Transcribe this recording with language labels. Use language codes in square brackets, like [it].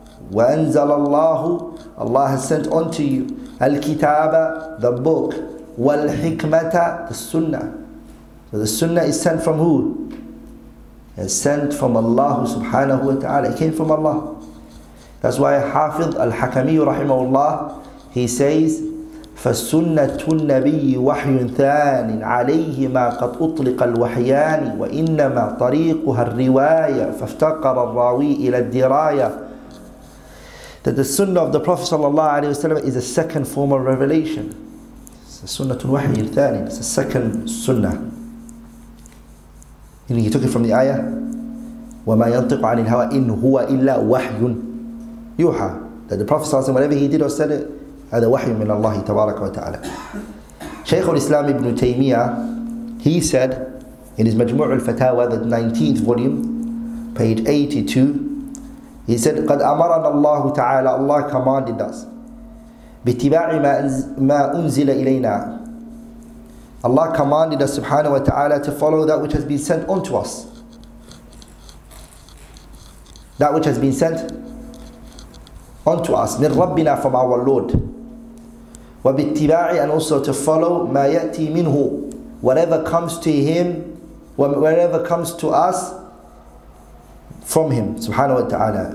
[ar] وَأَنزَلَ اللَّهُ, [en] Allah has sent unto you الْكِتَابَ, the book, وَالْحِكْمَةَ, the sunnah. So the sunnah is sent from who? It's sent from Allah subhanahu wa ta'ala. It came from Allah. That's why Hafidh al-Hakami rahimahullah, he says, [ar] فالسنة النبي وحي ثان عليه ما قد أطلق الوحيان وإنما طريقها الرواية فافتقر الراوي إلى الدراية. [en] That the sunnah of the Prophet sallallahu alayhi wa sallam is a second form of revelation. Sunnah wahy thani, it's a second sunnah. And he took it from the ayah, [ar] وَمَا يَنْطِقُ عَنِ الْهَوَىٰ إِنْ هُوَ إِلَّا وَحْيٌ يُوحَىٰ. [en] That the Prophet sallallahu alayhi wa sallam, whatever he did or said it, [ar] هذا وحي من الله تبارك وتعالى. [en] شيخ الإسلام ابن تيمية, he said in his مجموع الفتاوى, the 19th volume, page 82, he said, [ar] قد أمرنا الله تعالى, [en] Allah commanded us, [ar] باتباع ما أنزل إلينا. [en] Allah commanded us subhanahu wa ta'ala to follow that which has been sent unto us. That which has been sent unto us. [ar] من ربنا, [en] from our Lord. وباتباع, and also to follow, [ar] ما يأتي منه, [en] whatever comes to him, whatever comes to us from him subhanahu wa ta'ala.